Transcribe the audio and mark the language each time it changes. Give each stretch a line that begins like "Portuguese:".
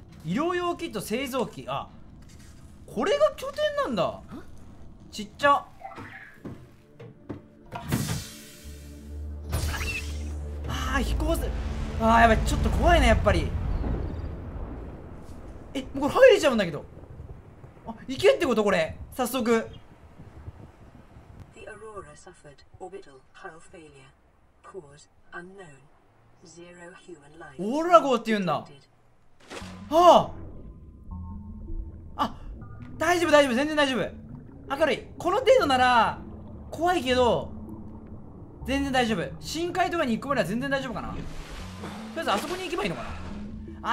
Japanese: 医療用キット製造機。あ、これが拠点なんだ。ちっちゃ。ああ、飛行す。ああ、やばい、ちょっと怖いね、やっぱり。え、もうこれ入れちゃうんだけど。あ、行けってことこれ。早速。
English: The Aurora suffered orbital hull failure. Cause unknown. Zero human life.
Japanese: オーロラ号って言うんだ。ああ、大丈夫大丈夫、全然大丈夫。明るい。この程度なら怖いけど、全然大丈夫。深海とかに行くまでは全然大丈夫かな。とりあえずあそこに行けばいいのかな。